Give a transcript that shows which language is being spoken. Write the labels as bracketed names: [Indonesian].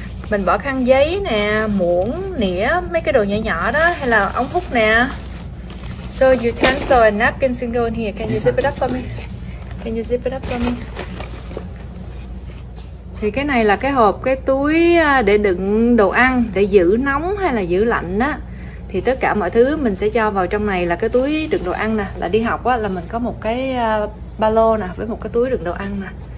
[Vietnamese] Mình bỏ khăn giấy nè, muỗng, nĩa, mấy cái đồ nhỏ nhỏ đó, hay là ống hút nè. [English] So utensil and napkins can go in here. Can you zip it up for me? Can you zip it up for me? [Vietnamese] Thì cái này là cái hộp, cái túi để đựng đồ ăn, để giữ nóng hay là giữ lạnh á. Thì tất cả mọi thứ mình sẽ cho vào trong này là cái túi đựng đồ ăn nè. Là đi học á, là mình có một cái ba lô nè, với một cái túi đựng đồ ăn nè.